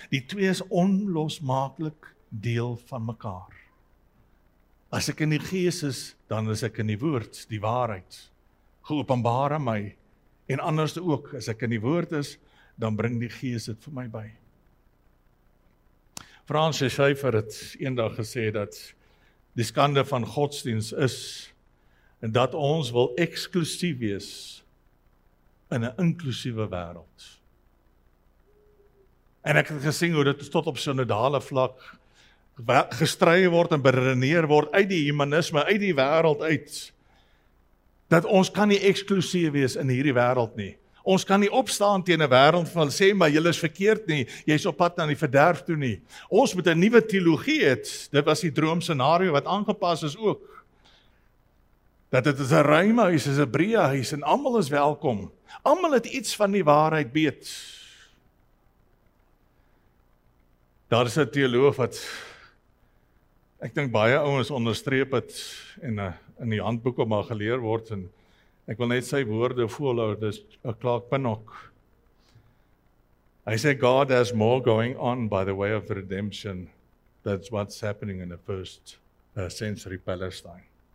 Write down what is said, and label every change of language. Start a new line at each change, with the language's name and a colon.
Afrikaans: Die twee is onlosmakelik deel van mekaar. As ek in die gees is, dan is ek in die woord, die waarheid. Geopenbaar aan my. En anders ook, as ek in die woord is, dan bring die gees dit vir my by. Francis Schaeffer het eendag gesê dat die skande van godsdienst is en dat ons wil eksklusief wees in 'n inklusiewe wêreld. En ek het gesien hoe dit tot op synodale vlak gestry word en beredeneer word uit die humanisme, uit die wêreld uit, dat ons kan nie eksklusief wees in hierdie wêreld nie. Ons kan nie opstaan teen 'n wêreld van sê maar julle is verkeerd nie, jy is op pad na die verderf toe nie. Ons moet 'n nuwe teologie hê. Dit was die droomscenario wat aangepas is ook. Dat dit is 'n ruimhuis, is 'n breë huis en almal is welkom. Almal het iets van die waarheid weet. Daar is 'n teoloog wat ek dink baie ouens onderstreep het en in die handboeke maar geleer word en ek wil net sy woorde voorhou, dis Clark Pinnock. Hy sê,
English: God has more going on by the way of the redemption than what's happening in the first century Palestine.